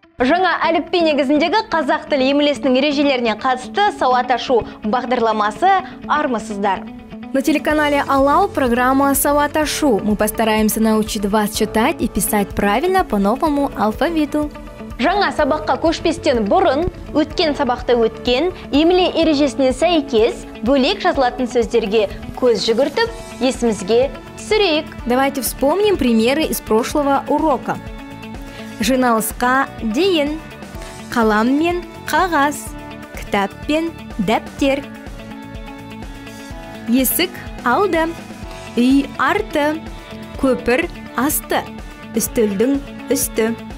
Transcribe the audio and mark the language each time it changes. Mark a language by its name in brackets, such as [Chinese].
[Kazakh] Жаңа әліппе негізіндегі қазақ тілі емлесінің ережелеріне қатысты сауат ашу бағдарламасы армысыздар. [Russian] На телеканале «Алау» программа «Сават Ашу». Мы постараемся научить вас читать и писать правильно по новому алфавиту. [Kazakh] Жаңа сабаққа көшпестен бұрын, өткен сабақты өткен, емле ережесіне сәйкес, бөлек жазылатын сөздерге көз жүгіртіп, есімізге түсірейік. [Russian] Давайте вспомним примеры из прошлого урока. [Kazakh] Жиналысқа дейін, қалам мен қағаз, кітап пен дәптер. Есік алды, үй арты, көпір асты, үстілдің үсті.